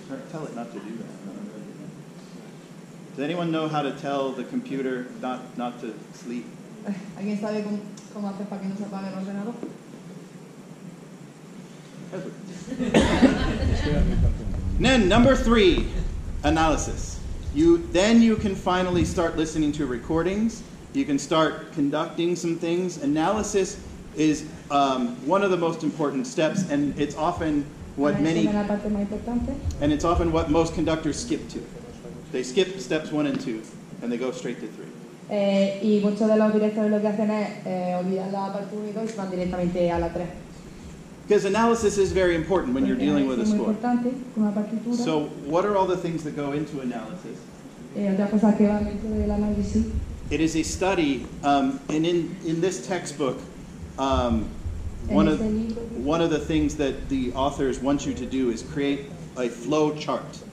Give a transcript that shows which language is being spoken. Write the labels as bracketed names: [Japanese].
[English] Tell it not to do that. Does anyone know how to tell the computer not to sleep? [Spanish] ¿Alguien sabe cómo hacer para que no se apague el ordenador? [English] Then number three, analysis. Then you can finally start listening to recordings. You can start conducting some things. Analysis is one of the most important steps, and it's often what most conductors skip to. They skip steps one and two, and they go straight to three. [Spanish] Y muchos de los directores lo que hacen es olvidar la parte 1 y 2 y van directamente a la 3. [English] Because analysis is very important when you're dealing with a score. [Spanish] Importante con la partitura. [English] So what are all the things that go into analysis? [Spanish] Otras cosas que van dentro del análisis. [English] It is a study, and in this textbook, one of the things that the authors want you to do is create a flow chart.